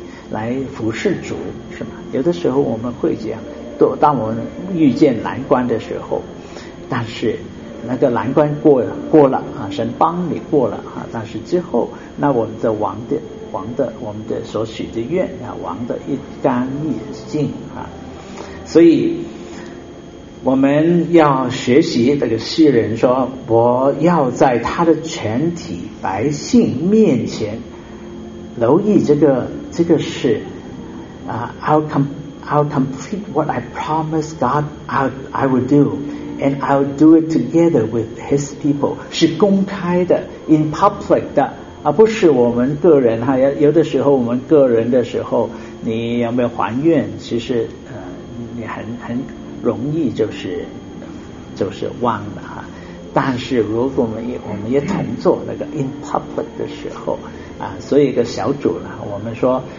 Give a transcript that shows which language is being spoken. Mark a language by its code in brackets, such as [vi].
[zh] 来服侍主，是吗？” 有的时候我们会这样，当我们遇见难关的时候，但是那个难关过了啊，神帮你过了啊，但是之后那我们的王的我们的所许的愿啊，王的一干一净啊。所以我们要学习这个诗人说，我要在他的全体百姓面前留意这个事啊。 [en] I'll complete what I promised God I would do, and I'll do it together with His people. [zh] 是公开的 ， [en] in public [zh] 的，而不是我们个人哈。有的时候我们个人的时候，你有没有还愿？其实，你很容易就是忘了哈。但是如果我们也同做那个 [en] in public [zh] 的时候啊，所以一个小组呢，我们说。